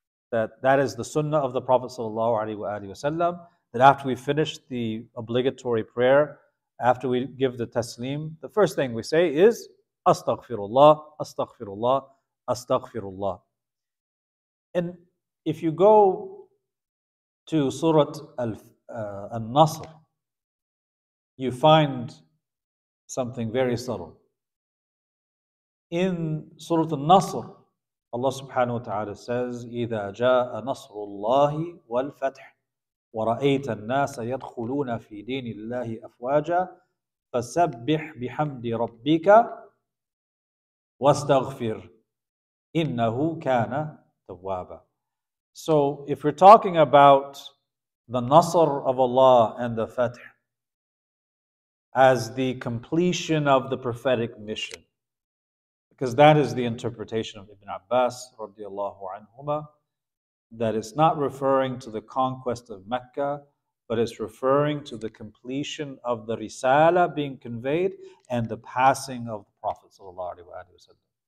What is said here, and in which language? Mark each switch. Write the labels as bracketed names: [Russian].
[English] That is the sunnah of the Prophet ﷺ, that after we finish the obligatory prayer, after we give the taslim, the first thing we say is Astaghfirullah, Astaghfirullah, Astaghfirullah. And if you go to Surah Al-Nasr, you find something very subtle. In Surah Al-Nasr, Allah subhanahu wa ta'ala says, [Arabic] إِذَا جَاءَ نَصْرُ اللَّهِ وَالْفَتْحِ وَرَأَيْتَ النَّاسَ يَدْخُلُونَ فِي دِينِ اللَّهِ أَفْوَاجًا فَسَبِّحْ بِحَمْدِ رَبِّكَ وَاسْتَغْفِرْ إِنَّهُ كَانَ تَوَّابًا. [English] So if we're talking about the Nasr of Allah and the Fath as the completion of the prophetic mission, because that is the interpretation of Ibn Abbas radiallahu anhumah, that it's not referring to the conquest of Mecca, but it's referring to the completion of the Risala being conveyed and the passing of the Prophet sallallahu alaihi wasallam.